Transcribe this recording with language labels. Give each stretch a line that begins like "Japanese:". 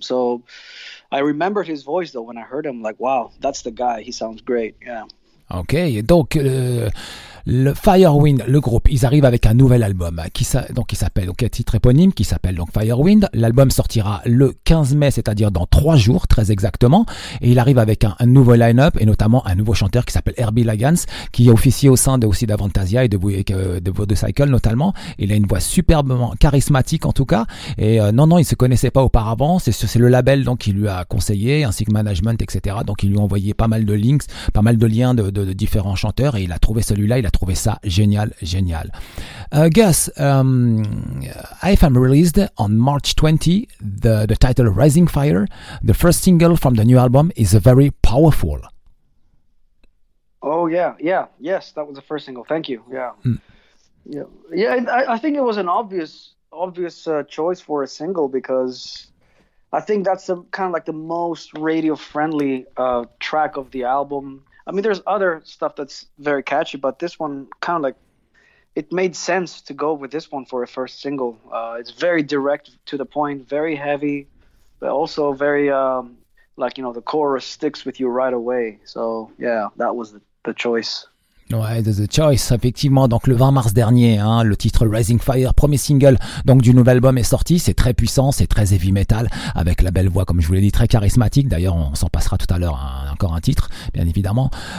English: So I remembered his voice, though, when I heard him. Like, wow, that's the guy. He sounds great. Yeah.
French: Okay, donc le Firewind, le groupe, ils arrivent avec un nouvel album qui s'appelle Firewind. L'album sortira le 15 mai, c'est-à-dire dans 3 jours très exactement, et il arrive avec un nouveau line-up et notamment un nouveau chanteur qui s'appelle Herbie Langens, qui est officier au sein aussi d'Avantasia et de Vodecycle notamment. Il a une voix superbement charismatique en tout cas, et non, il se connaissait pas auparavant. C'est le label donc qui lui a conseillé, ainsi que management, etc. Donc il lui a envoyé pas mal de links, pas mal de liens de différents chanteurs, et il a trouvé celui-là. Il a trouvé ça génial.
English: Gus, AFM released on March 20 the title Rising Fire. The first single from the new album is very powerful. Oh yes, that was the first single. Thank you. I think it was an obvious choice for a single, because I think that's the kind of like the most radio friendly track of the album. I mean, there's other stuff that's very catchy, but this one kind of like, it made sense to go with this one for a first single. It's very direct, to the point, very heavy, but also very, the chorus sticks with you right away. So, yeah, that was the choice.
French: Ouais, The Choice, effectivement. Donc le 20 mars dernier, hein, le titre Rising Fire, premier single donc du nouvel album, est sorti. C'est très puissant, c'est très heavy metal, avec la belle voix, comme je vous l'ai dit, très charismatique. D'ailleurs, on s'en passera tout à l'heure encore un titre, bien évidemment.